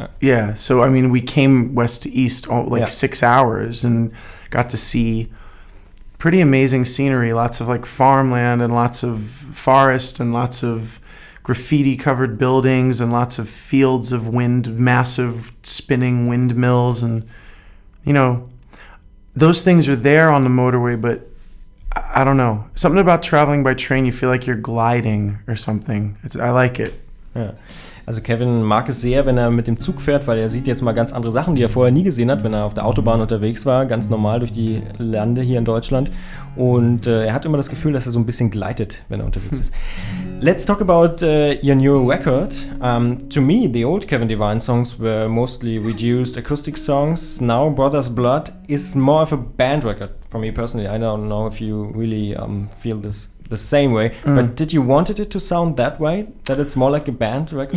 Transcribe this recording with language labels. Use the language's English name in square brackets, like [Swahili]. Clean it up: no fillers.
[English] Yeah, so I mean, we came west to east all 6 hours and got to see pretty amazing scenery, lots of like farmland and lots of forest and lots of graffiti-covered buildings and lots of fields of wind, massive spinning windmills. And, you know, those things are there on the motorway, but I don't know. Something about traveling by train, you feel like you're gliding or something. I like it. Yeah. [German] Also Kevin mag es sehr, wenn er mit dem Zug fährt, weil er sieht jetzt mal ganz andere Sachen, die er vorher nie gesehen hat, wenn er auf der Autobahn unterwegs war, ganz normal durch die Lande hier in Deutschland. Und er hat immer das Gefühl, dass er so ein bisschen gleitet, wenn er unterwegs ist. [English] Let's talk about your new record. To me, the old Kevin Divine songs were mostly reduced acoustic songs. Now Brothers Blood is more of a band record for me personally. I don't know if you really feel this the same way, but did you wanted it to sound that way, that it's more like a band record?